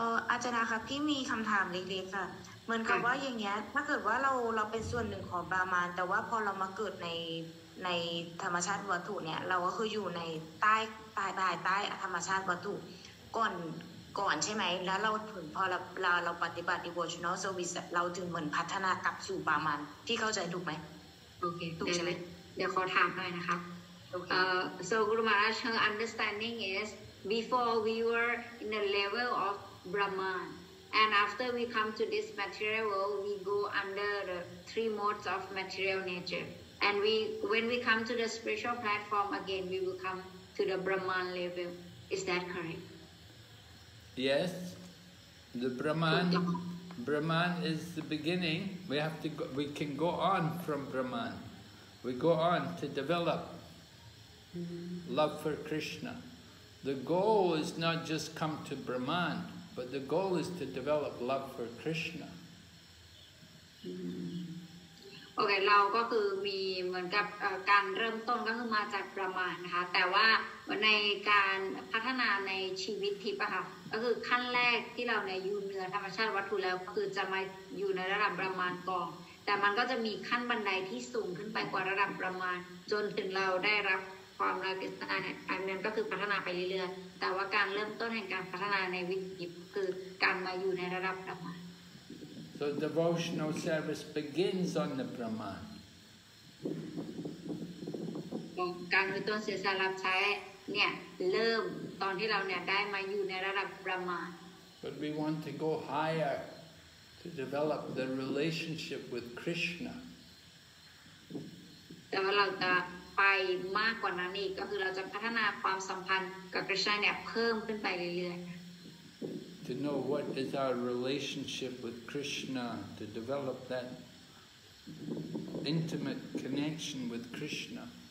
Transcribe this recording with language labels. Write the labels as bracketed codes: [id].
[th] อาจารย์คะพี่มีคำถามเล็กๆค่ะเหมือนกับว่าอย่างเงี้ยถ้าเกิดว่าเราเป็นส่วนหนึ่งของบรมานแต่ว่าพอเรามาเกิดในธรรมชาติวัตถุเนี่ยเราก็คืออยู่ในใต้ธรรมชาติวัตถุก่อนใช่ไหมแล้วเราปฏิบัติ devotional service เราถึงเหมือนพัฒนากลับสู่บามันพี่เข้าใจถูกไหม โอเคถูกใช่ไหมเดี๋ยวขอถามหน่อยนะคะ [en] so Guru Maharaj her understanding is before we were in the level of Brahman and after we come to this material world we go under the three modes of material natureAnd when we come to the spiritual platform again, we will come to the Brahman level. Is that correct? Yes. The Brahman, Brahman is the beginning. We have to. We can go on from Brahman. We go on to develop love for Krishna. The goal is not just come to Brahman, but the goal is to develop love for Krishna. [th] โอเคเราก็คือมีเหมือนกับการเริ่มต้นก็คือมาจากประมาณนะคะแต่ว่าในการพัฒนาในชีวิตทิพย์อะค่ะก็คือขั้นแรกที่เราเนี่ยอยู่เหนือธรรมชาติวัตถุแล้วคือจะมาอยู่ในระดับประมาณก่อนแต่มันก็จะมีขั้นบันไดที่สูงขึ้นไปกว่าระดับประมาณจนถึงเราได้รับความรักษาอันนั้นก็คือพัฒนาไปเรื่อยๆแต่ว่าการเริ่มต้นแห่งการพัฒนาในวิถีคือการมาอยู่ในระดับประมาณ [en] So devotional service begins on the Brahman. [th] การวิตรเสียสละใช้เนี่ยเริ่มตอนที่เราเนี่ยได้มาอยู่ในระดับ Brahman. [en] But we want to go higher to develop the relationship with Krishna. [th] แต่ว่าเราจะไปมากกว่านั้นอีกก็คือเราจะพัฒนาความสัมพันธ์กับ Krishna เนี่ยเพิ่มขึ้นไปเรื่อยๆ [en] To know what is our relationship with Krishna, to develop that intimate connection with Krishna.